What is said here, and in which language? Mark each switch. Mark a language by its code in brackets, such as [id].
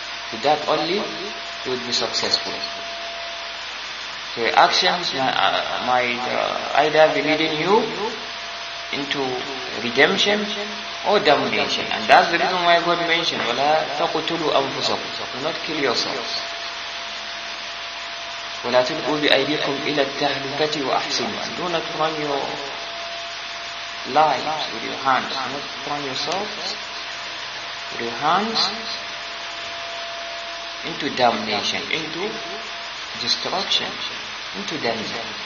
[en] With that only, you would be successful. So your actions might either be leading you into redemption or damnation. And that's the reason why God mentioned, [ar] وَلَا تَقُتُلُوا أَنفُسَكُمْ. [en] Do not kill yourselves. [ar] ولا تلقوا بأيديكم إلى التهلكة وأحسنوا. [en] Do not run your life with your hands. Do not run yourself with your hands into damnation, into destruction, into danger.